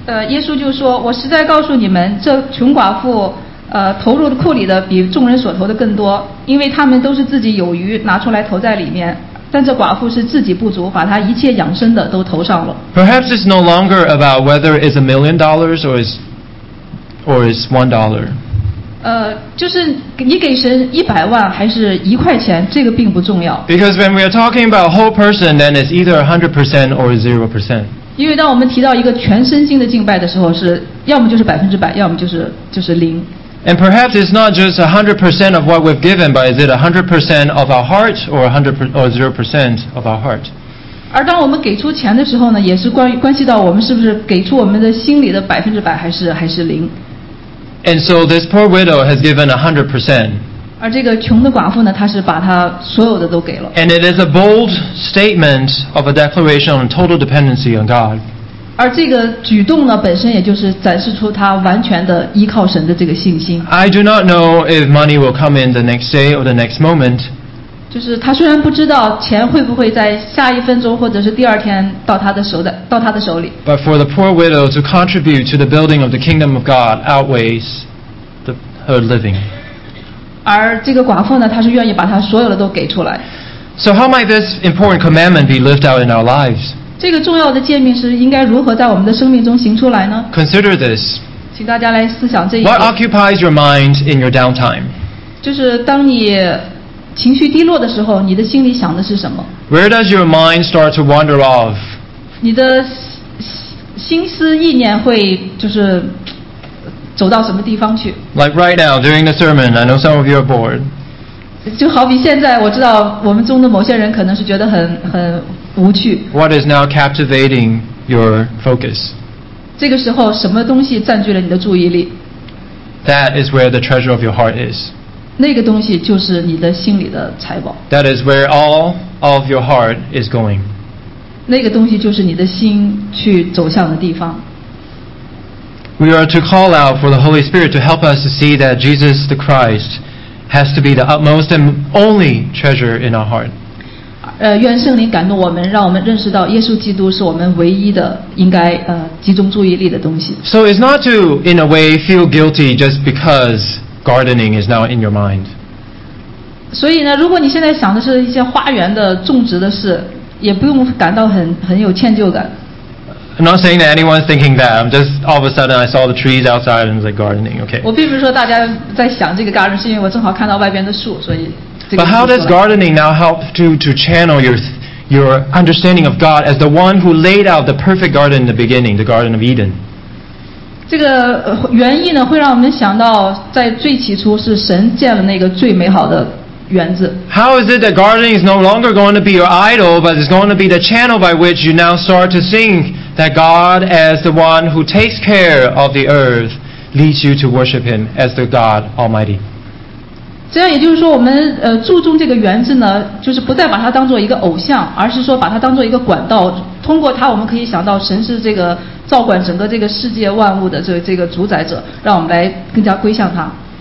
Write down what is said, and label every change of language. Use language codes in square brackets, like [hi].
[zh] 耶稣就说，我实在告诉你们，这穷寡妇，投入库里的比众人所投的更多，因为他们都是自己有余，拿出来投在里面。但这寡妇是自己不足，把她一切养生的都投上了。 [en] Perhaps it's no longer about whether it's $1 million or is $1. [zh] 就是你给神100万还是1块钱，这个并不重要。 [en] Because when we are talking about whole person, then it's either 100% or 0%. [zh] 因为当我们提到一个全身心的敬拜的时候，是要么就是100%，要么就是零。 [en] And perhaps it's not just 100% of what we've given, but is it 100% of our heart or 0% of our heart? [zh] 而当我们给出钱的时候呢，也是关系到我们是不是给出我们的心里的100%还是零。 [en] And so this poor widow has given 100%. [zh] 而这个穷的寡妇呢，她是把她所有的都给了。 [en] And it is a bold statement of a declaration on total dependency on God. [zh] 而这个举动呢，本身也就是展示出他完全的依靠神的这个信心。 [en] I do not know if money will come in the next day or the next moment. [zh] 就是他虽然不知道钱会不会在下一分钟或者是第二天到他的手里。 [en] But for the poor widow to contribute to the building of the kingdom of God outweighs her living. [zh] 而这个寡妇呢，她是愿意把她所有的都给出来。 [en] So how might this important commandment be lived out in our lives? [zh] 这个重要的诫命是应该如何在我们的生命中行出来呢？ [en] Consider this. [zh] 请大家来思想这一点。 [en] What occupies your mind in your downtime? [zh] 就是当你情绪低落的时候，你的心里想的是什么？ [en] Where does your mind start to wander off? [zh] 你的心思意念会就是走到什么地方去？ [en] Like right now, during the sermon, I know some of you are bored. [zh] 就好比现在，我知道我们中的某些人可能是觉得很无趣。 [en] What is now captivating your focus? [zh] 这个时候什么东西占据了你的注意力？ [en] That is where the treasure of your heart is. [zh] 那个东西就是你的心里的财宝。 [en] That is where all of your heart is going. [zh] 那个东西就是你的心去走向的地方。 [en] We are to call out for the Holy Spirit to help us to see that Jesus the Christ has to be the utmost and only treasure in our heart. [zh] 愿圣灵感动我们，让我们认识到耶稣基督是我们唯一的应该集中注意力的东西。 [en] So it's not to in a way feel guilty just because gardening is now in your mind. [zh] 所以呢，如果你现在想的是一些花园的种植的事，也不用感到很有歉疚感。 [en] I'm not saying that anyone's thinking that. I'm just all of a sudden I saw the trees outside and it's like gardening, okay. [zh] 我并不是说大家在想这个 garden, 是因为我正好看到外边的树，所以 [en] But how does gardening now help to channel your your understanding of God as the one who laid out the perfect garden in the beginning, the Garden of Eden. [zh] 这个原意呢，会让我们想到在最起初是神建了那个最美好的园子。 [en] How is it that gardening is no longer going to be your idol, but it's going to be the channel by which you now start to think that God as the one who takes care of the earth leads you to worship Him as the God Almighty? [zh] 这样也就是说我们注重这个园子呢，就是不再把它当做一个偶像，而是说把它当做一个管道，通过它我们可以想到神是这个照管整个这个世界万物的这个主宰者，让我们来更加归向他。